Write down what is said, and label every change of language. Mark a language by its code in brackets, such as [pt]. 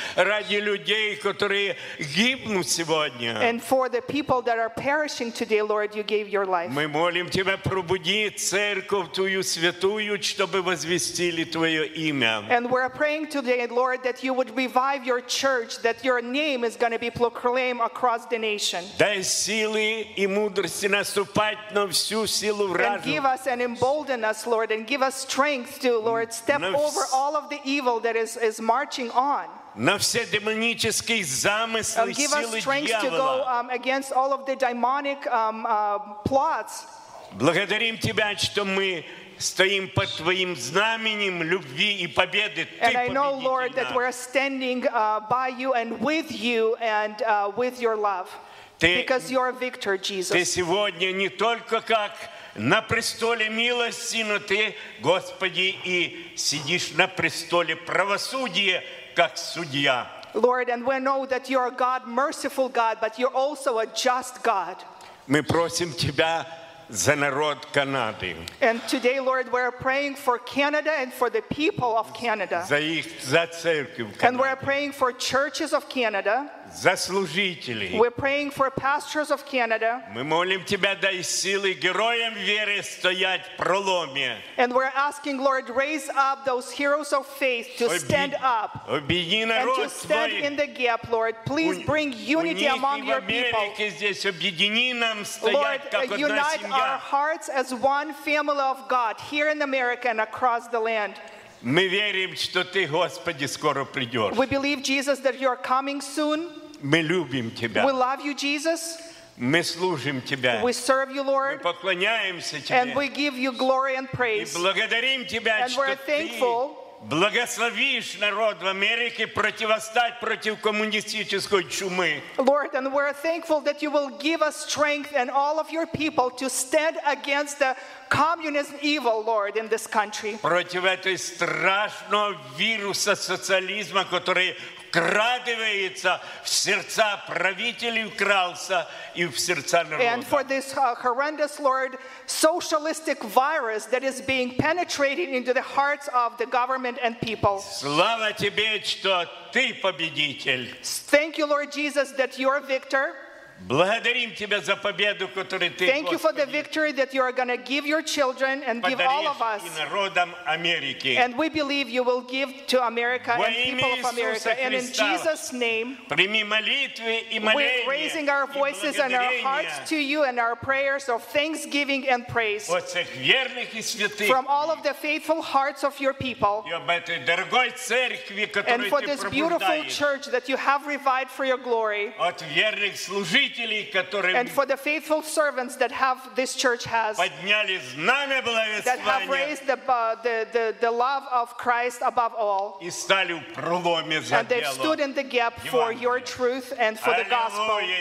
[ru] Ради людей, которые гибнут сегодня. [en] And for the people that are perishing today, Lord, you gave your life. [ru] Мы молим тебя, пробуди церковь твою святую, чтобы возвестили твое имя. [en] And we're praying today, Lord, that you would revive your church, that your name is going to be proclaimed across the nation. [ru] Дай силы и мудрости наступать на всю силу вражу. [en] And give us and embolden us, Lord, and give us strength to, Lord, step over all of the evil that is marching on. [ru] На все демонические замыслы, силы дьявола. [en] Give us strength to go against all of the demonic plots. [ru] Благодарим тебя, что мы стоим под твоим знаменем любви и победы. [en] And I know, Lord, that we're standing by you and with you and with your love. Because you're a victor, Jesus. [ru] Ты сегодня не только как на престоле милости, но ты, Господи, и сидишь на престоле правосудия, как судья. [en] Lord, and we know that you are God, merciful God, but you're also a just God. [ru] Мы просим тебя за народ Канады. [en] And today, Lord, we're praying for Canada and for the people of Canada. [ru] За церкви в Канаді. [en] And we're praying for churches of Canada. [ru] За служителей. [en] We're praying for pastors of Canada. [ru] Ми молим тебя, дай силы героям веры стоять в проломе. [en] And we're asking, Lord, raise up those heroes of faith to stand up. [uk] Об'єдни народ [ru] твой. [en] And to stand in the gap, Lord. Please bring unity among your people. [ru] Здесь об'єдни нам стоять, [en] Lord, [ru] как одна сім'я. [en] Unite our hearts as one family of God here in America and across the land. [uk] Ми віримо, що ти, Господи, скоро прийдеш. [en] We believe, Jesus, that you are coming soon. [ru] Мы любим тебя. [en] We love you, Jesus. [ru] Мы служим тебя. [en] We serve you, Lord. [ru] Мы поклоняемся тебе. [en] And we give you glory and praise. [ru] И благодарим тебя, [en] and we're thankful. [ru] Благословишь народ в Америке противостать против коммунистической чумы. [en] Lord, and we're thankful that you will give us strength and all of your people to stand against the communism evil, Lord, in this country. [ru] Против этой страшного вируса социализма, который крадывается в сердца правителей, крался и в сердца народа. [en] And for this horrendous, Lord, socialistic virus that is being penetrated into the hearts of the government and people. [ru] Слава тебе, что ты победитель. [en] Thank you, Lord Jesus, that you're victor. [ru] Благодарим тебя за победу, которую ты. [en] Thank you for the victory that you are going to give your children and give all of us. [ru] Подаришь и народам Америки. [en] And we believe you will give to America and people of America. And in Jesus' name, [ru] прими молитвы и моления. [en] We're raising our voices and our hearts to you and our prayers of thanksgiving and praise. [ru] От всех верных и святых. [en] From all of the faithful hearts of your people. [ru] И об этой дорогой церкви, которую ты пробуждаешь. [en] And for this beautiful church that you have revived for your glory. [ru] От верных служителей. [en] And for the faithful servants that have this church has, that have raised the love of Christ above all, and they've stood in the gap for your truth and for the gospel.